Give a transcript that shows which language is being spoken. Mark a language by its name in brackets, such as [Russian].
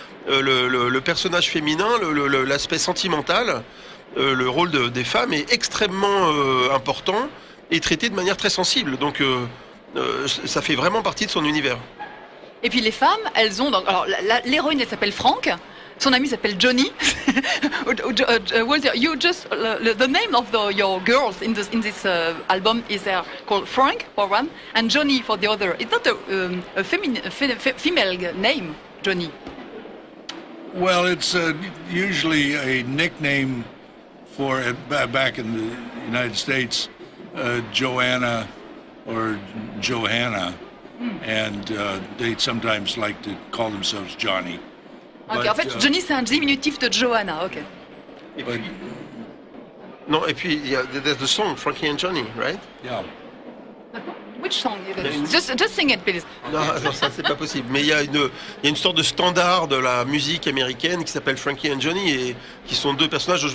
[French] Le personnage féminin, l'aspect sentimental, le rôle des femmes est extrêmement important et traité de manière très sensible. Donc ça fait vraiment partie de son univers. Et puis les femmes, elles ont... Alors l'héroïne, elle s'appelle Frank, son ami s'appelle Johnny. [English] Walter, you just the name of your girls in this album is there called Frank for one and Johnny for the other. Is that a female name, Johnny? Well, it's usually a nickname for back in the United States, Joanna or Johanna, and they sometimes like to call themselves Johnny. [French] Okay, en fait, Johnny c'est un diminutif de Joanna. Okay. [English] There's the song Frankie and Johnny, right? Yeah. Which song? Just sing it, please. [French] Non, ça c'est pas possible. Mais il y a une sorte de standard de la musique américaine qui s'appelle Frankie and Johnny et qui sont deux personnages.